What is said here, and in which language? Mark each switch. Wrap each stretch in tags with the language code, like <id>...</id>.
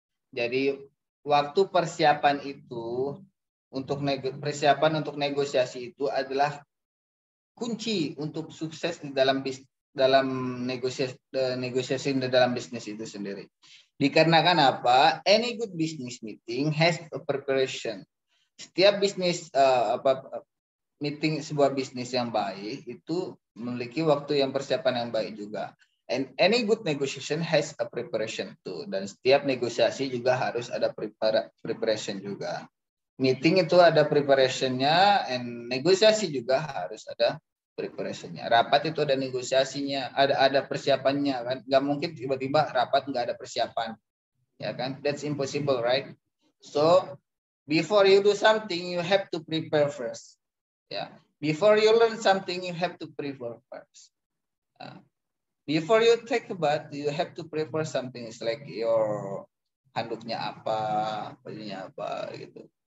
<id>Jadi waktu persiapan itu untuk persiapan untuk negosiasi itu adalah kunci untuk sukses di dalam negosiasi di dalam bisnis itu sendiri. Dikarenakan apa?</id> <en>Any good business meeting has a preparation.</en> <id>Setiap bisnis meeting sebuah bisnis yang baik itu memiliki waktu yang persiapan yang baik juga.</id> <en>And any good negotiation has a preparation too.</en> <id>Dan setiap negosiasi juga harus ada preparation juga. Meeting itu ada preparationnya,</id> <en>and</en> <id>negosiasi juga harus ada preparationnya. Rapat itu ada negosiasinya, ada persiapannya kan. Gak mungkin tiba-tiba rapat nggak ada persiapan, ya kan?</id> <en>That's impossible, right? So before you do something, you have to prepare first. Yeah. Before you learn something, you have to prepare first. Before you take a bath, you have to prepare something. It's like your</en> <id>handuknya apa, bajunya apa gitu.</id>